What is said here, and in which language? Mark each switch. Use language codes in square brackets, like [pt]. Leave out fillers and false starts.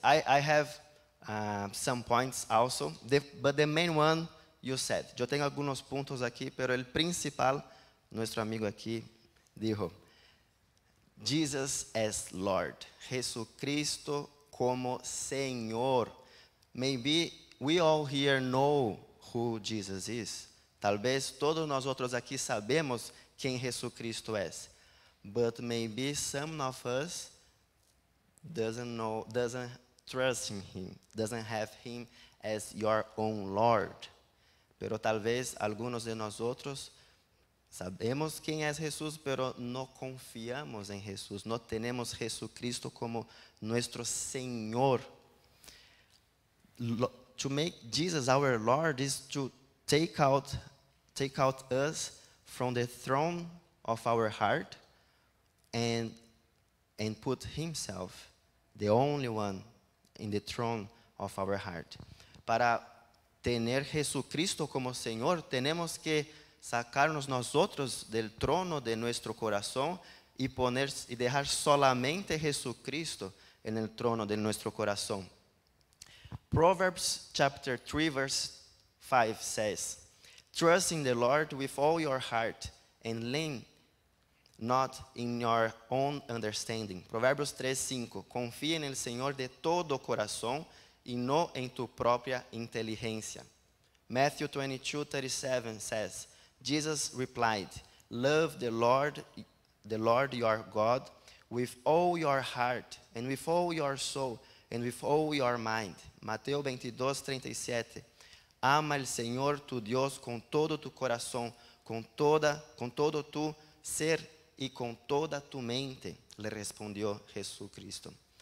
[en] I have some points also, but the main one, you said. [es] Yo tengo algunos puntos aquí, pero el principal, nuestro amigo aquí, dijo, [en] Jesus as Lord. [es] Jesucristo como Señor. [en] Maybe we all here know who Jesus is. [es] Tal vez todos nosotros aquí sabemos [pt] quem Jesus Cristo é. [en] But maybe some of us doesn't trust in him, doesn't have him as your own Lord. [es] Pero talvez algunos de nosotros sabemos [pt] quem é Jesus, [es] pero [pt] não confiamos em Jesus, não temos Jesus Cristo como nosso Senhor. [en] To make Jesus our Lord is to take out us from the throne of our heart and put himself, the only one, in the throne of our heart. [es] Para tener Jesucristo como Señor, tenemos que sacarnos nosotros del trono de nuestro corazón y poner y dejar solamente Jesucristo en el trono de nuestro corazón. [en] Proverbs chapter 3 verse 5 says, "Trust in the Lord with all your heart and lean not in your own understanding." [es] Proverbios 3:5, "Confía en el Señor de todo corazón y no en tu propia inteligencia." [en] Matthew 22:37 says, Jesus replied, "Love the Lord your God with all your heart and with all your soul and with all your mind." [es] Mateo 22:37, "Ama el Señor tu Dios con todo tu corazón, con todo tu ser y con toda tu mente," le respondió Jesucristo.